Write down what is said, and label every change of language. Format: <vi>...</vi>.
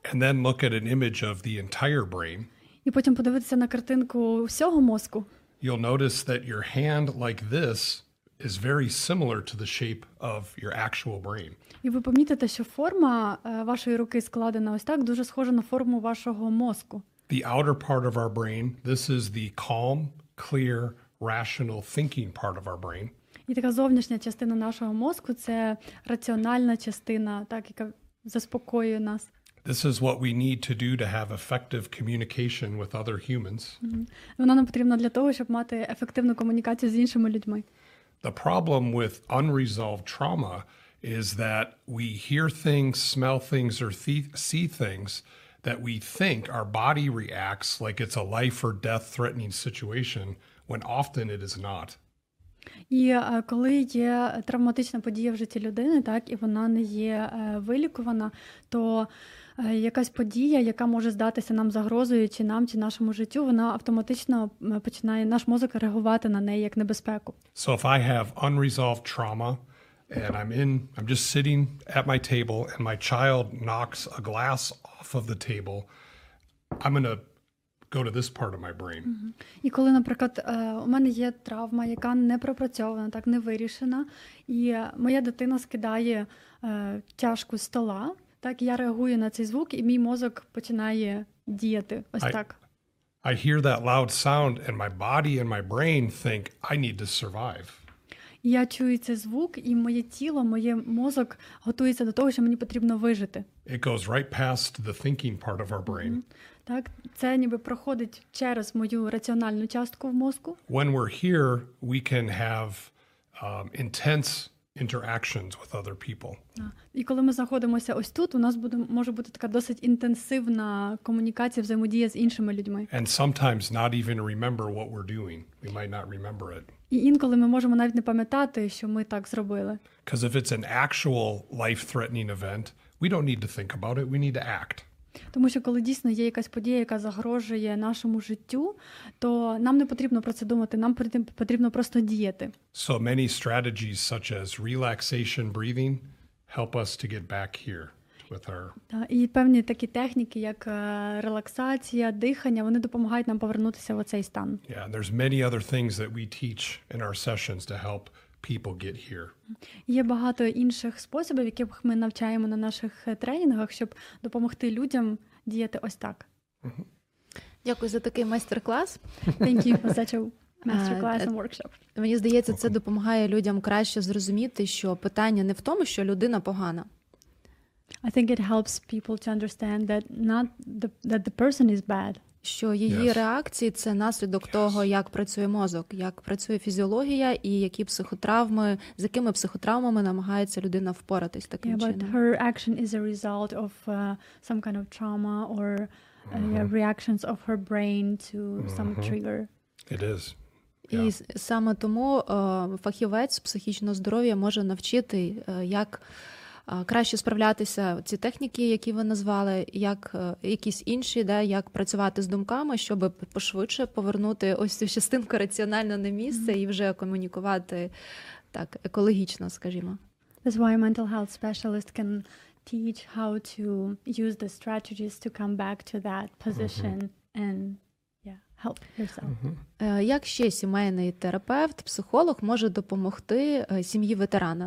<en>and then look at an image of the entire brain,</en> <uk>і потім подивитися на картинку всього мозку,</uk> <en>you'll notice that your hand like this is very similar to the shape of your actual brain.</en> <uk>І ви помітите, що форма вашої руки складена ось так, дуже схожа на форму вашого мозку.</uk> <en>The outer part of our brain, this is the calm, clear, rational thinking part of our brain.</en> <uk>І така зовнішня частина нашого мозку – це раціональна частина, так, яка заспокоює нас.</uk> <en>This is what we need to do to have effective communication with other humans.</en> <uk>Вона нам потрібна для того, щоб мати ефективну комунікацію з іншими людьми.</uk> <en>The problem with unresolved trauma is that we hear things, smell things, or see things that we think our body reacts like it's a life or death threatening situation, when often it is not.</en> <uk>І коли є травматична подія в житті людини, так, і вона не є вилікувана, то якась подія, яка може здатися нам загрозою чи нам, чи нашому життю, вона автоматично починає, наш мозок реагувати на неї як небезпеку.</uk> <en>So if I have unresolved trauma and I'm just sitting at my table and my child knocks a glass off of the table, I'm going to go to this part of my brain.</en> <uk>І коли, наприклад, у мене є травма, яка не пропрацьована, так, не вирішена, і моя дитина скидає чашку з стола, так, я реагую на цей звук, і мій мозок починає діяти. Ось так.</uk> <en>I hear that loud sound and my body and my brain think I need to survive.</en> <uk>Я чую цей звук, і моє тіло, моє мозок готується до того, що мені потрібно вижити.</uk> <en>It goes right past the thinking part of our brain.</en> <uk>Так, це ніби проходить через мою раціональну частку в мозку.</uk> <en>When we're here, we can have intense interactions with other people.</en> <uk>І коли ми знаходимося ось тут, у нас може бути така досить інтенсивна комунікація, взаємодія з іншими людьми.</uk> <en>And sometimes not even remember what we're doing. We might not remember it.</en> <uk>І інколи ми можемо навіть не пам'ятати, що ми так зробили.</uk> <en>Because if it's an actual life-threatening event, we don't need to think about it, we need to act.</en> <uk>Тому що коли дійсно є якась подія, яка загрожує нашому життю, то нам не потрібно про це думати, нам потрібно просто діяти.</uk> <en>So many strategies such as relaxation breathing help us to get back here with her.</en> <uk>І певні такі техніки, як релаксація, дихання, вони допомагають нам повернутися в цей стан.</uk> <en>Yeah, and there's many other things that we teach in our sessions to help people get here.</en> <uk>Є багато інших способів, яких ми навчаємо на наших тренінгах, щоб допомогти людям діяти ось так. Дякую за такий майстер-клас.</uk> <en>Thank you for such a masterclass and workshop.</en> <uk>Мені здається, це допомагає людям краще зрозуміти, що питання не в тому, що людина погана.</uk> <en>I think it helps people to understand that the person is bad.</en> <uk>Що її</uk> <en>yes.</en> <uk>реакції – це наслідок</uk> <en>yes.</en> <uk>того, як працює мозок, як працює фізіологія і які психотравми, з якими психотравмами намагається людина впоратись таким</uk> <en>yeah,</en> <uk>чином.</uk> <en>But her action is a result of some kind of trauma or reactions of her brain to some trigger. It is.</en> <uk>І саме тому фахівець психічного здоров'я може навчити, як краще справлятися ці техніки, які ви назвали, як якісь інші, да, як працювати з думками, щоб пошвидше повернути ось цю частинку раціонально на місце і вже комунікувати так екологічно, скажімо.</uk> <en>That's why a mental health specialist can teach how to use the strategies to come back to that position and help yourself.</en> <uk>Як ще сімейний терапевт, психолог може допомогти сім'ї ветерана?</uk>